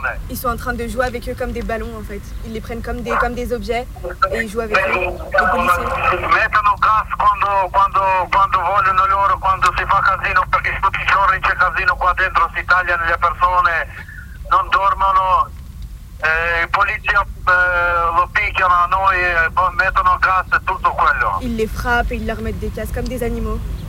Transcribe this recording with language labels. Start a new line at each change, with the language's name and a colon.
French: Ils sont en train de jouer avec eux comme des ballons en fait. Ils les prennent comme des objets et ils jouent avec eux. Les policiers.
Italian: Mettono gas quando vogliono loro, quando si fa casino, perché tutti i giorni c'è casino qua dentro, si tagliano le persone, non dormono. Polizia lo picchiano a noi, mettono gas e tutto quello.
French: Ils les frappent et ils leur mettent des casques comme des animaux.